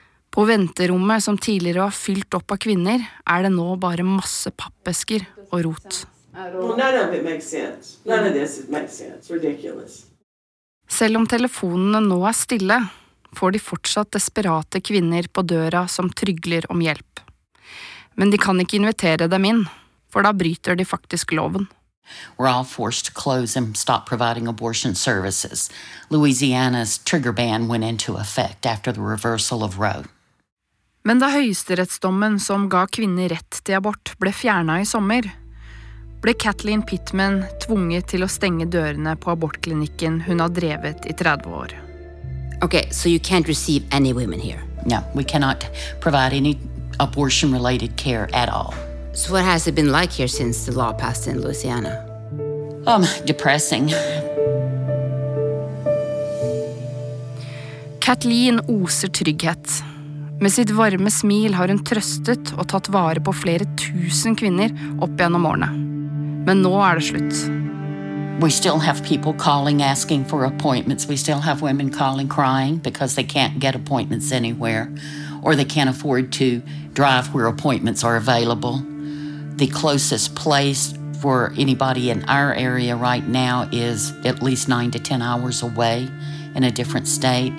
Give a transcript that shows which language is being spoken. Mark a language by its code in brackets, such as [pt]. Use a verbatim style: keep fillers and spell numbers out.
[no] På venterommet som tidligere var fylt opp av kvinner, er det nå bare masse pappesker og rot. Selv om telefonene nå er stille, får de fortsatt desperate kvinner på døra som trygler om hjelp. Men de kan ikke invitere dem inn, for da bryter de faktisk loven. [en] We're all forced to close and stop providing abortion services. Louisiana's trigger ban went into effect after the reversal of Roe. [no] Men da høyesterettsdommen som ga kvinner rett til abort ble fjernet I sommer, ble Kathleen Pittman tvunget til å stenge dørene på abortklinikken hun har drevet I tretti år. [en] Okay, so you can't receive any women here? No, we cannot provide any abortion-related care at all. So what has it been like here since the law passed in Louisiana? Um, depressing. [no] Kathleen oser trygghet. Med sitt varme smil har hun trøstet og tatt vare på flere tusen kvinner opp gjennom årene. Men nå er det slutt. [en] We still have people calling, asking for appointments. We still have women calling, crying because they can't get appointments anywhere, or they can't afford to drive where appointments are available. The closest place for anybody in our area right now is at least nine to ten hours away in a different state.